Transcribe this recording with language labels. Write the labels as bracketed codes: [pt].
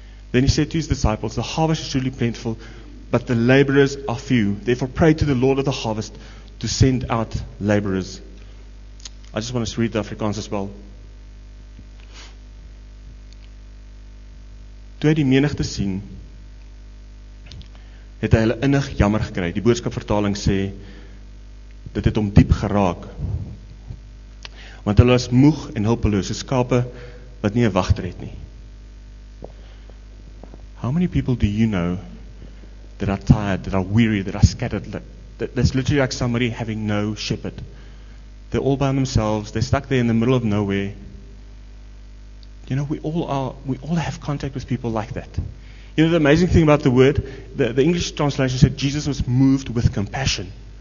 [en] Then he said to his disciples, the harvest is truly plentiful, but the laborers are few. Therefore pray to the Lord of the harvest to send out laborers I just want to read the Afrikaans as well. [af] Toe hy die menigte sien, het hy hulle innig jammer gekry. Die boodskapvertaling sê, dit het hom diep geraak. Want hulle is moeg en hulpeloos, soos skape wat nie 'n wagter het nie. [en] How many people do you know that are tired, that are weary, that are scattered? That's literally like somebody having no shepherd. They're all by themselves, they're stuck there in the middle of nowhere. You know, we all have contact with people like that. You know, the amazing thing about the word, the English translation said Jesus was moved with compassion.